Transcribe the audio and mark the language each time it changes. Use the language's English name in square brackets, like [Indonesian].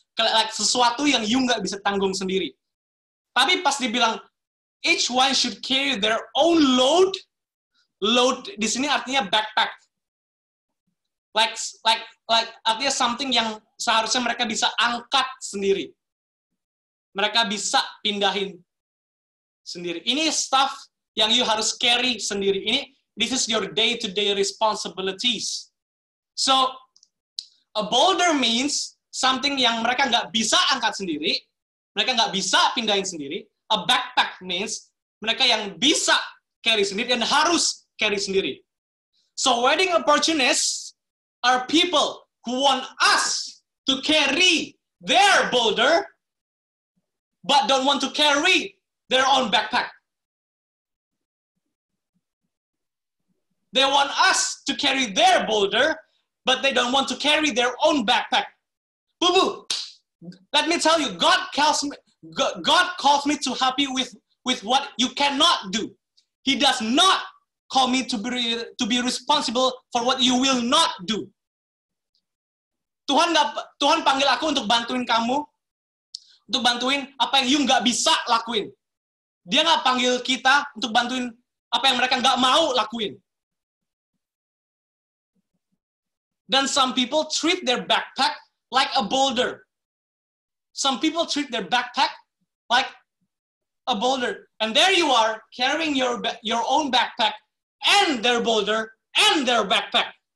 [English] Like [Indonesian] sesuatu yang [English] you [Indonesian] nggak bisa tanggung sendiri. Tapi pas dibilang, [English] each one should carry their own load, load [Indonesian] di sini artinya backpack. [English] Like [Indonesian] artinya [English] something [Indonesian] yang seharusnya mereka bisa angkat sendiri. Mereka bisa pindahin sendiri. Ini [English] stuff [Indonesian] yang [English] you [Indonesian] harus [English] carry [Indonesian] sendiri. Ini, [English] this is your day-to-day responsibilities. So, a boulder means something [Indonesian] yang mereka nggak bisa angkat sendiri, mereka nggak bisa pindahin sendiri. [English] A backpack means [Indonesian] mereka yang bisa [English] carry [Indonesian] sendiri dan harus carry sendiri. [English] So, wedding opportunists are people who want us to carry their boulder but don't want to carry their own backpack. They want us to carry their boulder, but they don't want to carry their own backpack. Boo-boo! Let me tell you, God calls me to help you with what you cannot do. He does not call me to be responsible for what you will not do. [Indonesian] Tuhan panggil aku untuk bantuin kamu, untuk bantuin apa yang [English] you [Indonesian] nggak bisa lakuin. Dia nggak panggil kita untuk bantuin apa yang mereka nggak mau lakuin. [English] Then some people treat their backpack like a boulder. Some people treat their backpack like a boulder. And there you are, carrying your own backpack and their boulder and their backpack.